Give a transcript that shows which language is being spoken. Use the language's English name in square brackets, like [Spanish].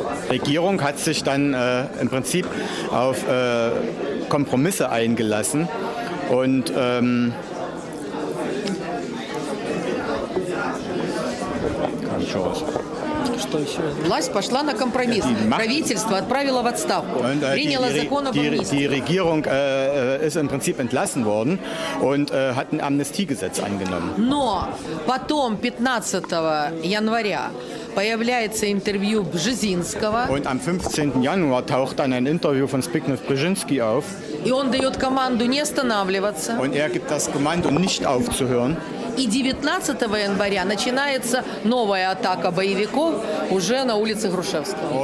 [German] Regierung hat sich dann im Prinzip auf Kompromisse eingelassen und die Regierung ist im Prinzip entlassen worden und hat ein Amnestiegesetz angenommen. [Russian] Но потом 15 января появляется интервью Бжезинского. [German] Und am 15. Januar taucht dann ein Interview von Zbigniew Brzezinski auf. [Russian] И он дает команду не останавливаться. [German] Und er gibt das Kommando nicht aufzuhören. [Russian] И 19 января начинается новая атака боевиков уже на улице Грушевского.